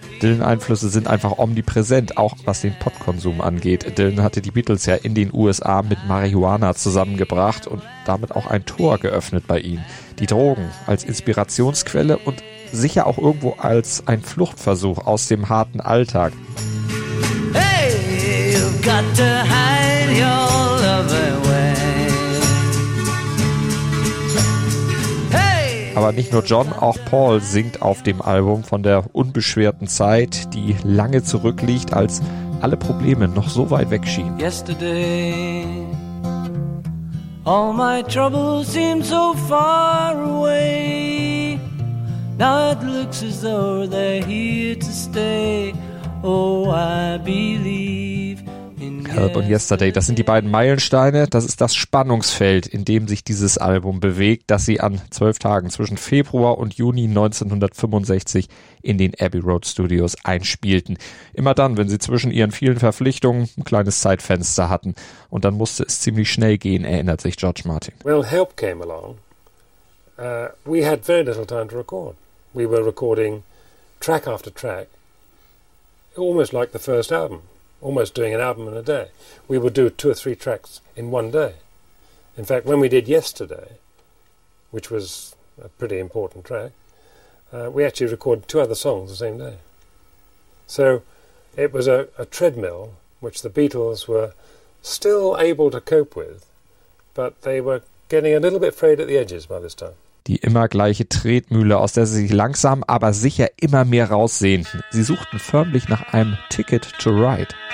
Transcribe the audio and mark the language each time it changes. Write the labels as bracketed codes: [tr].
[de] Dylan-Einflüsse sind einfach omnipräsent, auch was den Pottkonsum angeht. Dylan hatte die Beatles ja in den USA mit Marihuana zusammengebracht und damit auch ein Tor geöffnet bei ihnen. Die Drogen als Inspirationsquelle und sicher auch irgendwo als ein Fluchtversuch aus dem harten Alltag. [en] Hey, you've got to hide your love away. [de] Hey, aber nicht nur John, auch Paul singt auf dem Album von der unbeschwerten Zeit, die lange zurückliegt, als alle Probleme noch so weit wegschienen. [en] Yesterday, all my troubles seem so far away. Now it looks as though they're here to stay. Oh, I believe in Help yesterday. [de] Und Yesterday, das sind die beiden Meilensteine. Das ist das Spannungsfeld, in dem sich dieses Album bewegt, das sie an 12 Tagen zwischen Februar und Juni 1965 in den Abbey Road Studios einspielten. Immer dann, wenn sie zwischen ihren vielen Verpflichtungen ein kleines Zeitfenster hatten. Und dann musste es ziemlich schnell gehen, erinnert sich George Martin. [en] Well, Help came along. We had very little time to record. We were recording track after track, almost like the first album, almost doing an album in a day. We would do two or three tracks in one day. In fact, when we did Yesterday, which was a pretty important track, we actually recorded two other songs the same day. So it was a treadmill which the Beatles were still able to cope with, but they were getting a little bit frayed at the edges by this time. [de] Die immer gleiche Tretmühle, aus der sie sich langsam, aber sicher immer mehr raussehnten. Sie suchten förmlich nach einem Ticket to Ride.